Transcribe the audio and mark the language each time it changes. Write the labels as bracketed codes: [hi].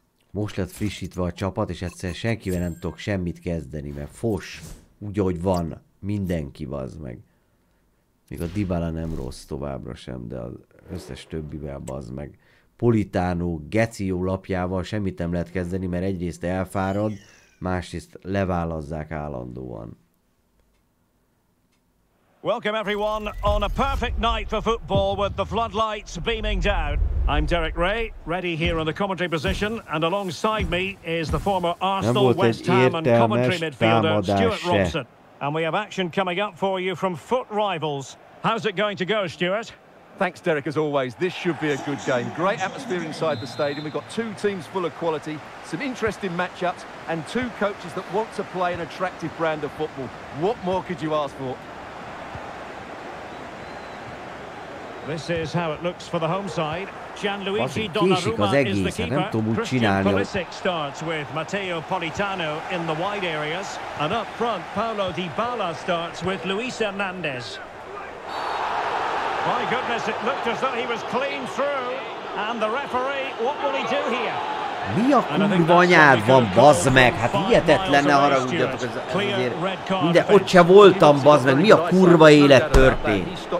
[hu] Most lett frissítve a csapat, és egyszerűen senkivel nem tudok semmit kezdeni, mert fos, úgy, ahogy van, mindenki bazd meg. Még a Dybala nem rossz továbbra sem, de az összes többivel bazd meg. Politano, geci jó lapjával semmit nem lehet kezdeni, mert egyrészt elfárad, másrészt leválazzák állandóan. [en] Welcome everyone on a perfect night for football with the floodlights beaming down. I'm Derek Ray, ready here on the commentary position, and alongside me is the former Arsenal, West Ham and commentary midfielder Stuart Robson. And we have action coming up for you from foot rivals. How's it going to go, Stuart? Thanks, Derek, as always. This should be a good game. Great atmosphere inside the stadium. We've got two teams full of quality, some interesting matchups, and two coaches that want to play an attractive brand of football. What more could you ask for? This is how it looks for the home side. Gianluigi Donnarumma is the keeper. Christian Pulisic starts with Matteo Politano in the wide areas. And up front, Paulo Dybala starts with Luis Hernandez. My goodness, it looked as though he was clean through. And the referee, what will he do here? [hu] Mi a kurva anyád van, bazd meg? Hát hihetetlen, ne haragudjatok, minden, ott se voltam, bazd meg, mi a kurva élet történt?